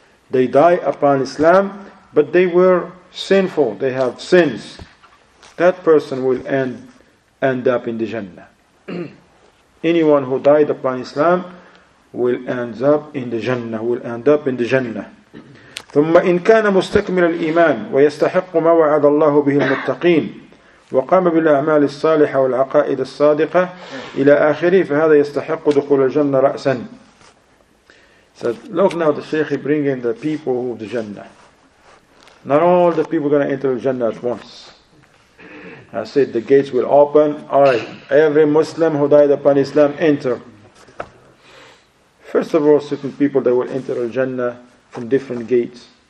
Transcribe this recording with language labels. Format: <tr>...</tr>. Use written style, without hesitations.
<en>They die upon Islam, but they were sinful, they have sins. That person will end up in the Jannah. Anyone who died upon Islam will end up in the Jannah, will end up in the Jannah.</en> <ar>ثم إن كان مستكمل الإيمان ويستحق ما وعد الله به المتقين وقام بالأعمال الصالحة والعقائد الصادقة إلى آخره فهذا يستحق دخول الجنة رأسا.</ar> <en>Said, look now, the Shaykh bring in the people of the Jannah. Not all the people are going to enter the Jannah at once. I said, the gates will open. All right, every Muslim who died upon Islam, enter. First of all, certain people that will enter the Jannah from different gates.</en>